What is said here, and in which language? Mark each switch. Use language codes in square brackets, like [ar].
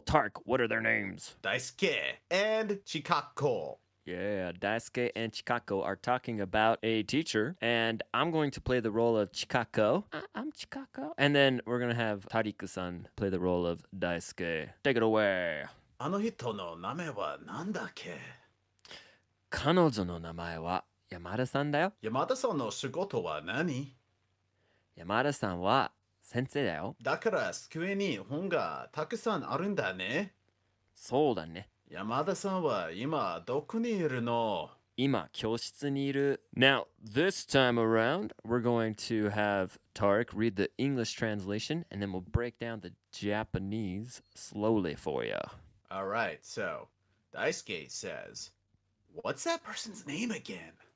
[en] Tark, what are their names? Daisuke and Chikako. Yeah, Daisuke and Chikako are talking about a teacher, and I'm going to play the role of Chikako. I'm Chikako. And then we're going to have Tariku-san play the role of Daisuke. Take it away. [ja] あの人の名前は何だっけ? 彼女の名前は山田さんだよ? 山田さんの仕事は何? 山田さんは先生だよ? だから机に本がたくさんあるんだね? そうだね。山田さんは今どこにいるの? 今教室にいる。 [en] Now, this time around, we're going to have Tark read the English translation, and then we'll break down the Japanese slowly for you. All right, so Daisuke says, what's that person's name again?